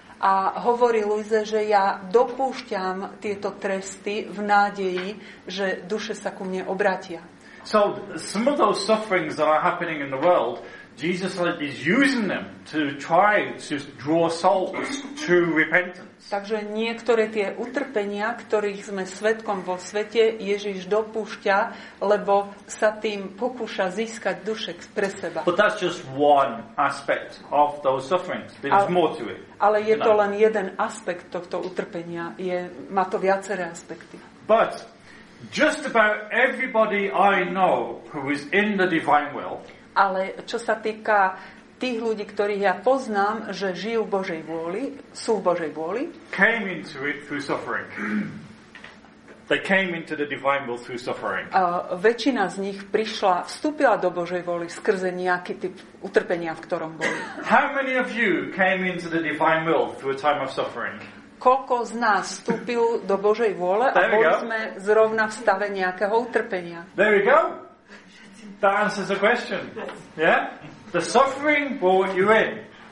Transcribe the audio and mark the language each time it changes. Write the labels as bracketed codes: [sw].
[sk] A hovorí Louise, že ja dopúšťam tieto tresty v nádeji, že duše sa ku mne obrátia. [en] So some of those sufferings that are happening in the world, Jesus is using them to try to draw souls to repentance. [sk] Takže niektoré tie utrpenia, ktorých sme svedkom vo svete, Ježiš dopúšťa, lebo sa tým pokúša získať duše pre seba. [en] But that's just one aspect of those sufferings. There's more to it. [sk] Ale je to len jeden aspekt tohto utrpenia. Má to viaceré aspekty. [en] But just about everybody I know who is in the divine will. [sk] Ale čo sa týka tých ľudí, ktorých ja poznám, že žijú v Božej vôli, sú v Božej vôli. [en] Came into it through suffering. They came into the divine will through suffering. [sk] Väčšina z nich prišla, vstúpila do Božej vôli skrze nejaký typ utrpenia, v ktorom boli. [en] How many of you came into the divine will through a time of suffering? [sk] Koľko z nás vstúpil do Božej vôle a boli sme zrovna v stave nejakého utrpenia? [en] There we go. That answers the question. Yeah? The suffering brought you in.